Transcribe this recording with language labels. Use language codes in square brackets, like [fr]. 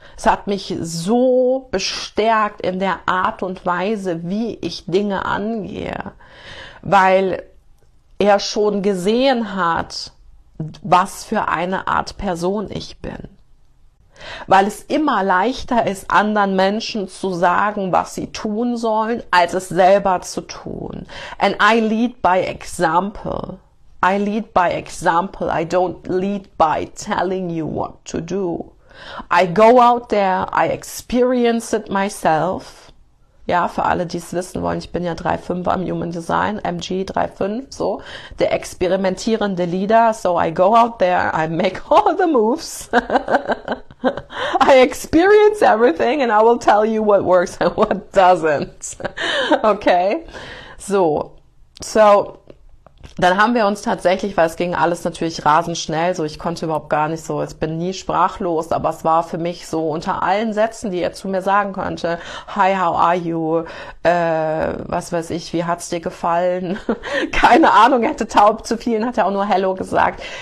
[de] Es hat mich so bestärkt in der Art und Weise, wie ich Dinge angehe, weil er schon gesehen hat, was für eine Art Person ich bin. Weil es immer leichter ist, anderen Menschen zu sagen, was sie tun sollen, als es selber zu tun. [en] And I lead by example. I lead by example. I don't lead by telling you what to do. I go out there, I experience it myself. [de] Ja, für alle, die es wissen wollen, ich bin ja 3.5 am Human Design, MG 3.5, so. Der experimentierende Leader, [en] so I go out there, I make all the moves. I experience everything and I will tell you what works and what doesn't. Okay, so. [de] Dann haben wir uns tatsächlich, weil es ging alles natürlich rasend schnell, so ich konnte überhaupt gar nicht so, ich bin nie sprachlos, aber es war für mich so unter allen Sätzen, die er zu mir sagen konnte, [en] hi, how are you, [de] was weiß ich, wie hat's dir gefallen, keine Ahnung, er hätte taub zu vielen, hat er auch nur hello gesagt,